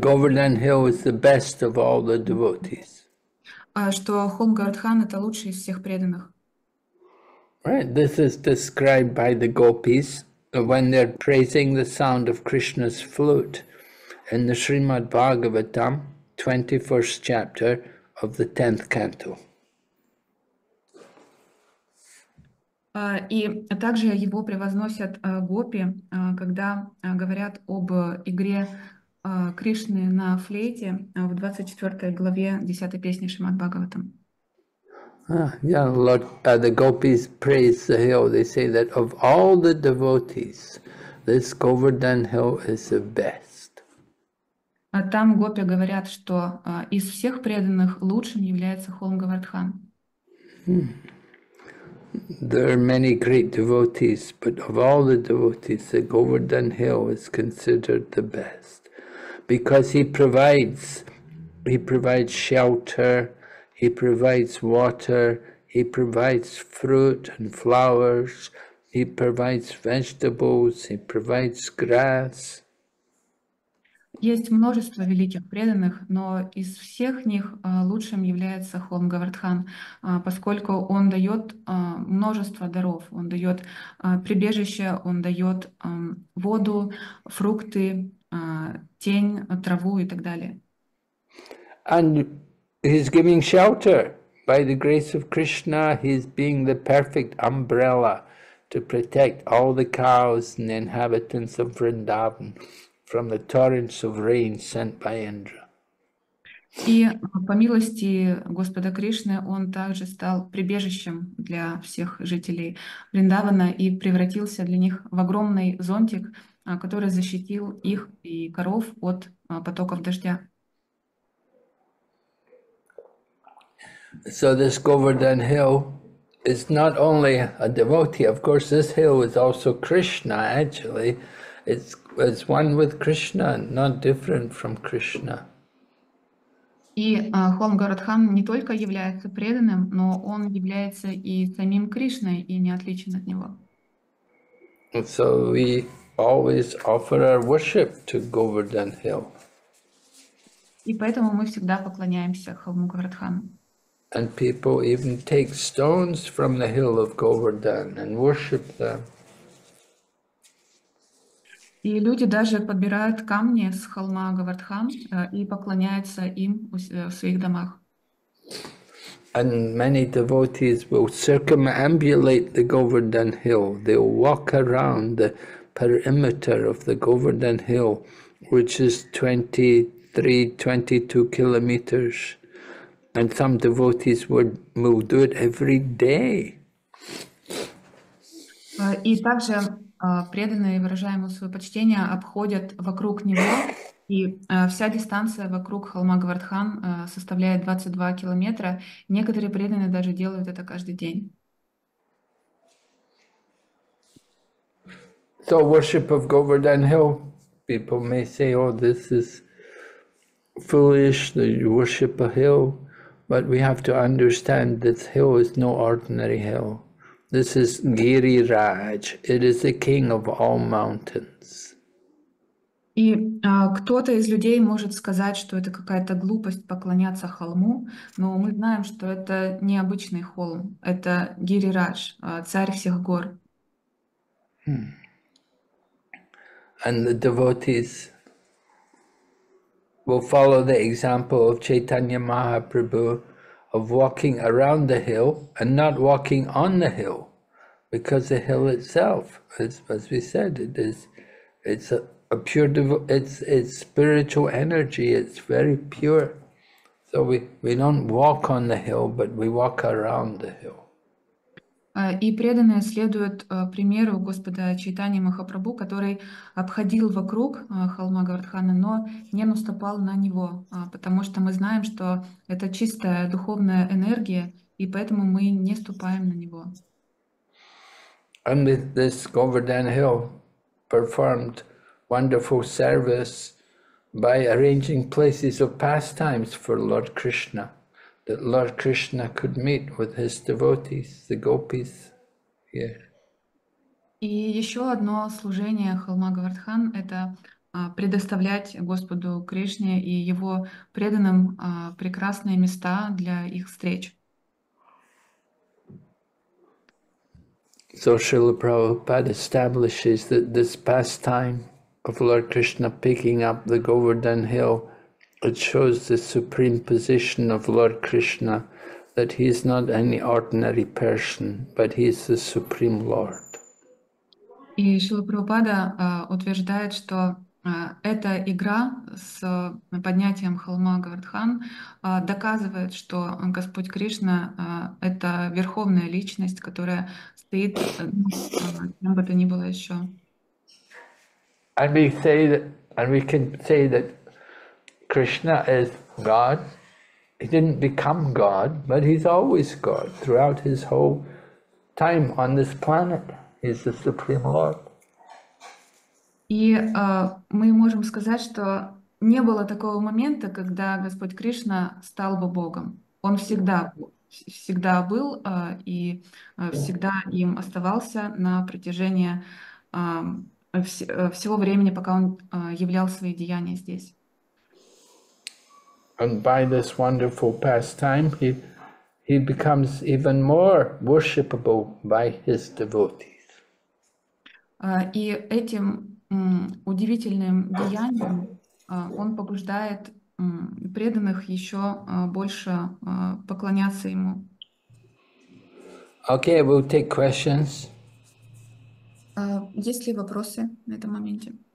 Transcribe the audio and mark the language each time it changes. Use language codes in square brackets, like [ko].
[en] Govardhan Hill is the best of all the devotees. [ru] Что холм Гардхан это лучший из всех преданных. [en] Right, this is described by the gopis when they're praising the sound of Krishna's flute in the Srimad Bhagavatam, 21st chapter of the 10th canto. [ru] И также его превозносят гопи, когда говорят об игре Кришны на флейте в 24 главе 10 песни Шримад Бхагаватам. [en] The gopis praise the hill. They say that of all the devotees, this Govardhan hill is the best. [ru] Там гопи говорят, что из всех преданных лучшим является холм Гавардхан. [en] There are many great devotees, but of all the devotees, the Govardhan hill is considered the best because he provides shelter. He provides water, he provides fruit and flowers, he provides vegetables, he provides grass. [ru] Есть множество великих преданных, но из всех них лучшим является холм Гавардхан, поскольку он дает множество даров. Он дает прибежище, он дает воду, фрукты, тень, траву и так далее. [en] And he's giving shelter by the grace of Krishna. He's being the perfect umbrella to protect all the cows and the inhabitants of Vrindavan from the torrents of rain sent by Indra. [ru] И по милости Господа Кришны он также стал прибежищем для всех жителей Вриндавана и превратился для них в огромный зонтик, который защитил их и коров от потоков дождя. [en] So this Govardhan Hill is not only a devotee, of course this hill is also Krishna actually. It's one with Krishna, not different from Krishna. [ru] И холм Гарадхан не только является преданным, но он является и самим Кришной, и не отличен от него. [en] And so we always offer our worship to Govardhan Hill. [ru] И поэтому мы всегда поклоняемся холму Гарадхану. [en] And people even take stones from the hill of Govardhan and worship them. [ru] И люди даже подбирают камни с холма Говардхан и поклоняются им в своих домах. [en] And many devotees will circumambulate the Govardhan Hill. They'll walk around the perimeter of the Govardhan Hill, which is 23, 22 kilometers. And some devotees will do it every day. [ru] И также преданные, выражая ему свое почтение, обходят вокруг него, и вся дистанция вокруг холма Гавардхан составляет 22 километра. Некоторые преданные даже делают это каждый день. [en] So worship of Govardhan Hill, people may say, oh, this is foolish that you worship a hill. But we have to understand this hill is no ordinary hill. This is Giriraj. It is the king of all mountains. [ru] И кто-то из людей может сказать, что это какая-то глупость поклоняться холму, но мы знаем, что это не обычный холм, это Гирирадж, царь всех гор. [en] And the devotees will follow the example of Chaitanya Mahaprabhu. Of walking around the hill and not walking on the hill, because the hill itself, as we said, it's a pure it's spiritual energy. It's very pure, so we don't walk on the hill, but we walk around the hill. [ru] И преданные следуют примеру Господа Чайтани Махапрабху, который обходил вокруг холма Гавардхана, но не наступал на него, потому что мы знаем, что это чистая духовная энергия, и поэтому мы не ступаем на него. [en] And this Govardhan Hill performed wonderful service by arranging places of pastimes for Lord Krishna, that Lord Krishna could meet with his devotees, the gopis here. [ru] И еще одно служение холма Гавардхан — это предоставлять Господу Кришне и его преданным прекрасные места для их встреч. [en] So Srila Prabhupada establishes that this pastime of Lord Krishna picking up the Govardhan Hill, it shows the supreme position of Lord Krishna, that he is not any ordinary person, but he is the Supreme Lord. [ru] И Шрила Прабхупада утверждает, что эта игра с поднятием холма Гавардхан доказывает, что Господь Кришна это верховная личность, которая стоит кем бы то ни было еще. [en] And we can say that Krishna is God. He didn't become God, but he's always God throughout his whole time on this planet. He's the Supreme Lord. [ru] И мы можем сказать, что не было такого момента, когда Господь Кришна стал бы Богом. Он всегда был и всегда им оставался на протяжении всего времени, пока он являл свои деяния здесь. [en] And by this wonderful pastime, he becomes even more worshipable by his devotees. [ru] И этим удивительным деянием он побуждает преданных еще больше поклоняться ему. [en] Okay, we'll take questions. [ru] Есть ли вопросы на этом моменте?